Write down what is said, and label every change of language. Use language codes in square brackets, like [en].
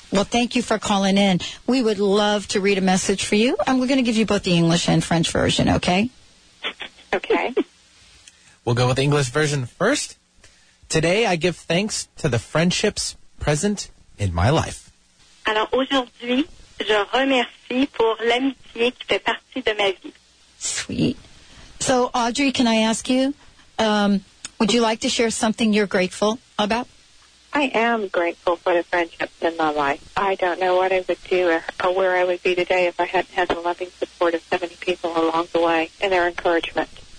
[en] Well, thank you for calling in. We would love to read a message for you, and we're going to give you both the English and French version, okay? Okay. We'll go with the English version first. Today, I give thanks to the friendships present in my life. [fr] Alors, aujourd'hui, je remercie pour l'amitié qui fait partie de ma vie. [en] Sweet. So, Audrey, can I ask you, would you like to share something you're grateful about? I am grateful for the friendships in my life. I don't know what I would do or where I would be today if I hadn't had the loving support of so many people along the way and their encouragement.